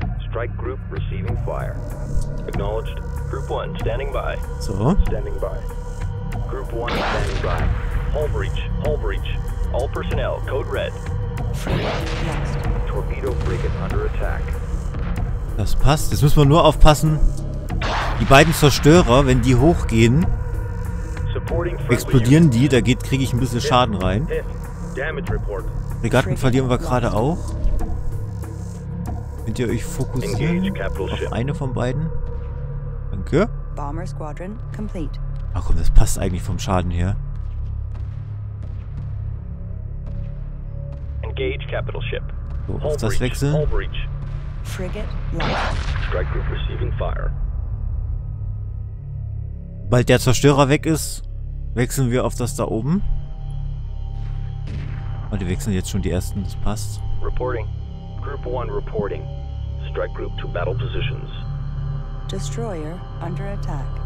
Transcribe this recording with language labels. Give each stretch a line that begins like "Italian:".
English: Strike group receiving fire. Acknowledged. Group 1 standing by. So. Standing by. Group 1 standing by. Hull breach. Hull breach. All personnel code red. Next. Torpedo frigate under attack.
German: Das passt. Jetzt müssen wir nur aufpassen. Die beiden Zerstörer, wenn die hochgehen, explodieren die. Da kriege ich ein bisschen Schaden rein.
English: Damage report.
German: Regatten verlieren wir gerade auch. Könnt ihr euch fokussieren auf eine von beiden? Danke.
English: Bomber Squadron complete.
German: Ach komm, das passt eigentlich vom Schaden her.
English: Engage Capital Ship.
German: So, auf das wechseln.
English: Frigate Group receiving fire.
German: Bald der Zerstörer weg ist, wechseln wir auf das da oben. Die wechseln jetzt schon die ersten, das passt.
English: Reporting. Group 1 reporting. Strike group to battle positions. Destroyer under attack.